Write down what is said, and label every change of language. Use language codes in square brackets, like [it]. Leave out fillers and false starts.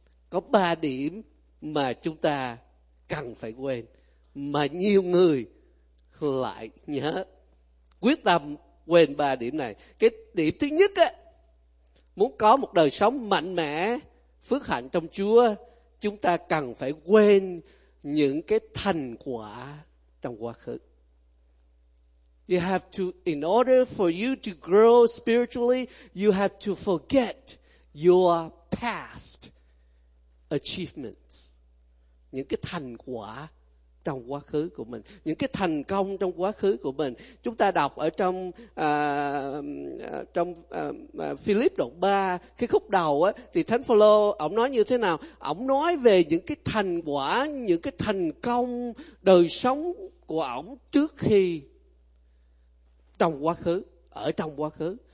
[vi] Có ba điểm mà chúng ta cần phải quên, mà nhiều người lại nhớ, quyết tâm quên ba điểm này. Cái điểm thứ nhất á, muốn có một đời sống mạnh mẽ, phước hạnh trong Chúa, chúng ta cần phải quên những cái thành quả trong quá khứ. [en] You have to, in order for you to grow spiritually, you have to forget your past achievements. [vi] Những cái thành quả trong quá khứ của mình, những cái thành công trong quá khứ của mình. Chúng ta đọc ở trong Philip đoạn 3, cái khúc đầu á, thì Thánh Phaolô ổng nói như thế nào? Ổng nói về những cái thành quả, những cái thành công đời sống của ổng trước khi, trong quá khứ, ở trong quá khứ.